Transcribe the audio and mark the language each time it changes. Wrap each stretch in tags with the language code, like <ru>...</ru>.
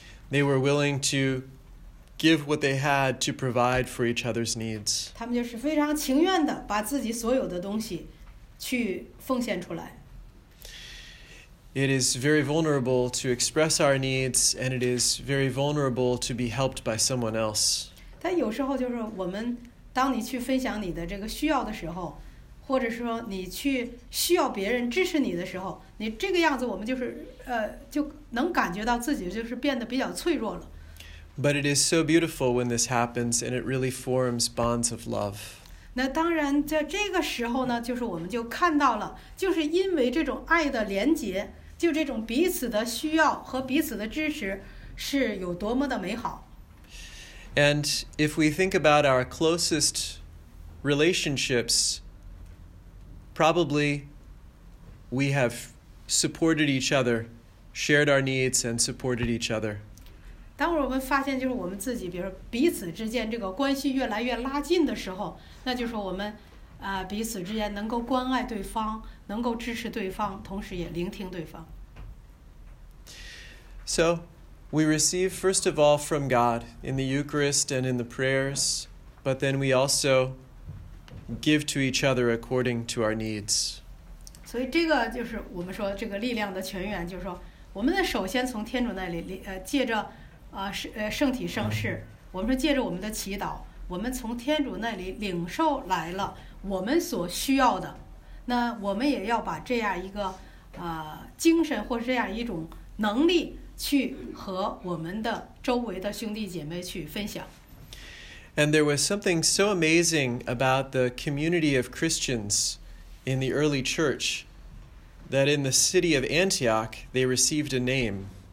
<en>They were willing to give what they had to provide for each other's needs.</en> <zh>他们就是非常情愿的把自己所有的东西去奉献出来。</zh> <en>It is very vulnerable to express our needs, and it is very vulnerable to be helped by someone else.</en> <zh>但有时候就是我们，当你去分享你的这个需要的时候，或者说你去需要别人支持你的时候，你这个样子我们就是就能感觉到自己就是变得比较脆弱了。</zh> <en>But it is so beautiful when this happens, and it really forms bonds of love.</en> <zh>那当然在这个时候呢，就是我们就看到了，就是因为这种爱的连结，就这种彼此的需要和彼此的支持是有多么的美好。</zh> <en>And if we think about our closest relationships, probably we have supported each other, shared our needs, and supported each other.</en> <zh>当我们发现就是我们自己比如说彼此之间这个关系越来越拉近的时候，那就是我们彼此之间能够关爱对方，能够支持对方，同时也聆听对方。</zh> <en>So we receive first of all from God in the Eucharist and in the prayers, but then we also give to each other according to our needs.</en> <zh>所以这个就是我们说这个力量的泉源，就是说我们首先从天主那里借着圣体圣事，我们说借着我们的祈祷，我们从天主那里领受来了我们所需要的，那我们也要把这样一个精神或是这样一种能力去和我们的周围的兄弟姐妹去分享。</zh> <en>And there was something so amazing about the community of Christians in the early church that in the city of Antioch they received a name.</en>